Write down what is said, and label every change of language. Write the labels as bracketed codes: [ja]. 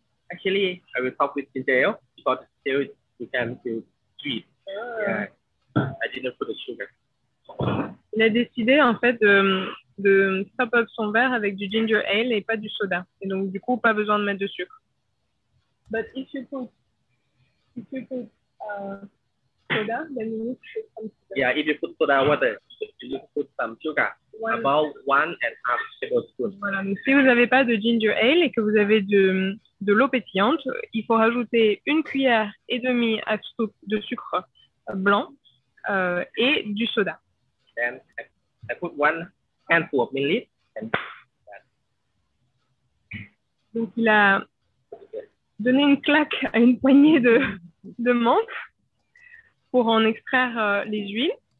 [en] Actually, I will talk with ginger ale because still it can feel sweet. Yeah. I didn't put the sugar. [fr] Il a décidé en fait de [en] top up [fr] son verre avec du ginger ale et pas du soda. Et donc du coup pas besoin de mettre de sucre. [en] But if you put soda, then you need some sugar. Yeah, if you put soda water, you put some sugar. About 1.5 tablespoons. [fr] Voilà, donc si vous n'avez pas de ginger ale et que vous avez de l'eau pétillante, il faut rajouter 1.5 cuillères à soupe de sucre blanc et du soda. [en] Then I put 1 handful of milliliters. [fr] Donc il a donné une claque à une poignée de menthe pour en extraire les huiles.